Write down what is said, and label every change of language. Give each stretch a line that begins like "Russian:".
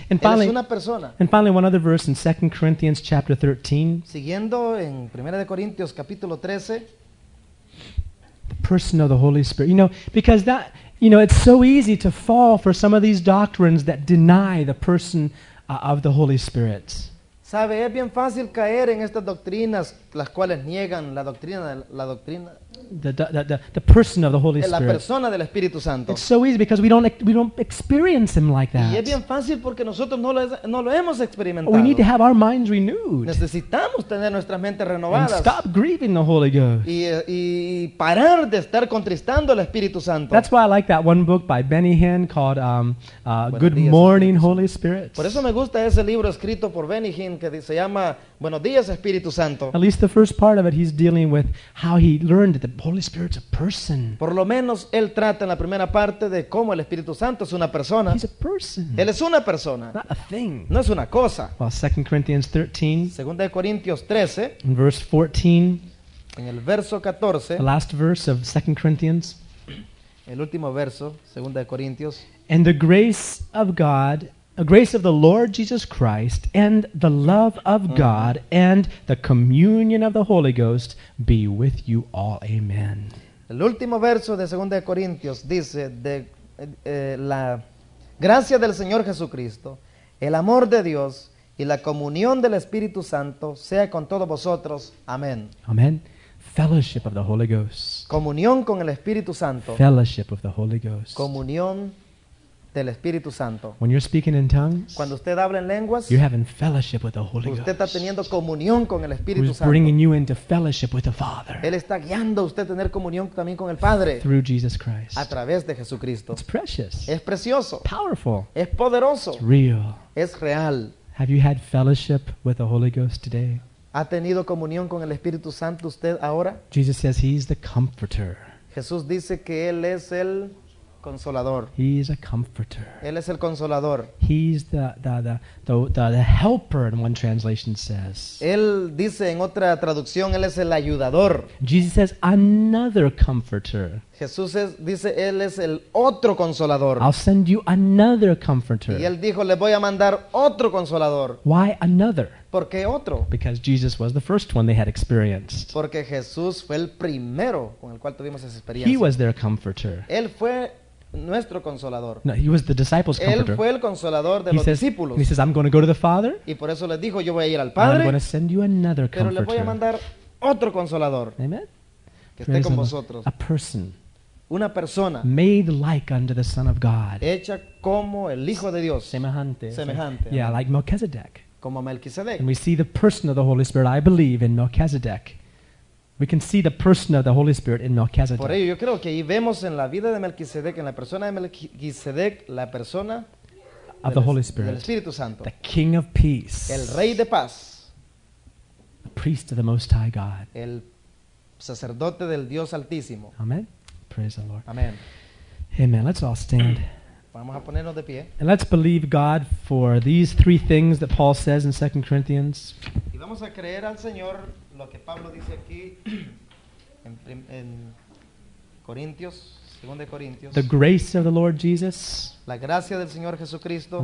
English: And finally,
Spanish: él es una persona.
English: And finally, one other verse in 2 Corinthians chapter 13.
Spanish: Siguiendo en 1 de Corintios capítulo 13.
English: The person of the Holy Spirit. You know, because that... You know, it's so easy to fall for some of these doctrines that deny the person of the Holy Spirit.
Spanish: Sabe, es bien fácil caer en estas doctrinas las cuales niegan la doctrina.
English: The person of the Holy Spirit.
Spanish: La persona del Espíritu Santo.
English: It's so easy because we don't experience him like that.
Spanish: Y es bien fácil porque nosotros no lo hemos experimentado.
English: We need to have our minds renewed.
Spanish: Necesitamos tener nuestras mentes renovadas.
English: And stop grieving the Holy Ghost.
Spanish: Y parar de estar contristando al Espíritu Santo.
English: That's why I like that one book by Benny Hinn called Good
Spanish: días,
English: Morning Holy Spirit.
Spanish: Por eso me gusta ese libro escrito por Benny Hinn que se llama Buenos días, Espíritu Santo.
English: At least the first part of it, he's dealing with how he learned that the Holy Spirit's a person.
Spanish: Por lo menos él trata en la primera parte de cómo el Espíritu Santo es una persona.
English: He's a person.
Spanish: Él es una persona.
English: Not a thing.
Spanish: No es una cosa.
English: Well, 2 Corinthians 13.
Spanish: Segunda de Corintios 13.
English: In verse 14.
Spanish: En el verso 14.
English: The last verse of 2 Corinthians.
Spanish: El último verso, segunda de Corintios.
English: And the grace of God. The grace of the Lord Jesus Christ and the love of God and the communion of the Holy Ghost be with you all. Amen.
Spanish: El último verso de 2 Corintios dice de la gracia del Señor Jesucristo, el amor de Dios y la comunión del Espíritu Santo sea con todos vosotros. Amen. Amen.
English: Fellowship of the Holy Ghost.
Spanish: Comunión con el Espíritu Santo.
English: Fellowship of the Holy Ghost.
Spanish: Comunión del Espíritu Santo.
English: When you're speaking in tongues,
Spanish: cuando usted habla en lenguas,
English: you're having fellowship with the Holy
Spanish: usted
English: Ghost.
Spanish: Está teniendo comunión con el Espíritu
English: Who's
Spanish: Santo.
English: Bringing you into fellowship with the Father.
Spanish: Él está guiando a usted a tener comunión también con el Padre.
English: Through Jesus Christ.
Spanish: A través de Jesucristo.
English: It's precious.
Spanish: Es precioso.
English: Powerful.
Spanish: Es poderoso.
English: It's real.
Spanish: Es real.
English: Have you had fellowship with the Holy Ghost today?
Spanish: ¿Ha tenido comunión con el Espíritu Santo usted ahora?
English: Jesus says he's the comforter.
Spanish: Jesús dice que él es el Consolador.
English: He is a comforter.
Spanish: Él es el consolador.
English: He's the helper, in one translation says.
Spanish: Él dice en otra traducción, él es el ayudador.
English: Jesus says another comforter.
Spanish: Jesús es, dice, él es el otro consolador.
English: I'll send you another comforter.
Spanish: Y él dijo, le voy a mandar otro consolador.
English: Why another?
Spanish: ¿Por qué otro?
English: Because Jesus was the first one they had experienced.
Spanish: Porque Jesús fue el primero con el cual tuvimos esa experiencia.
English: He was their comforter.
Spanish: Él fue nuestro consolador.
English: No, he was the disciples' comforter.
Spanish: Él fue el consolador de los discípulos.
English: He says, I'm going to go to the Father.
Spanish: Y por eso les dijo, yo voy a ir al Padre.
English: I'm going to send you another comforter.
Spanish: Pero le voy a mandar otro consolador.
English: Amen.
Spanish: Que esté con vosotros.
English: A person.
Spanish: Una persona.
English: Made like unto the Son of God.
Spanish: Hecha como el Hijo de Dios. Semejante. Semejante.
English: Yeah, like Melchizedek.
Spanish: Como Melchizedek.
English: And we see the person of the Holy Spirit, I believe, in Melchizedek. We can see the person of the Holy Spirit in Melchizedek.
Spanish: Por ello, yo creo que ahí vemos en la vida de Melchizedek, en la persona de Melchizedek, la persona
English: of the Holy Spirit.
Spanish: Del Espíritu Santo.
English: The King of Peace.
Spanish: El Rey de Paz.
English: The Priest of the Most High God.
Spanish: El Sacerdote del Dios Altísimo.
English: Amen. Praise the Lord.
Spanish: Amen.
English: Amen. Let's all stand.
Spanish: Vamos a ponernos de pie.
English: And let's believe God for these three things that Paul says in 2 Corinthians.
Spanish: Y vamos a creer al Señor lo que Pablo dice aquí en Corintios, 2 Corintios.
English: The grace of the Lord Jesus.
Spanish: La gracia del Señor Jesucristo.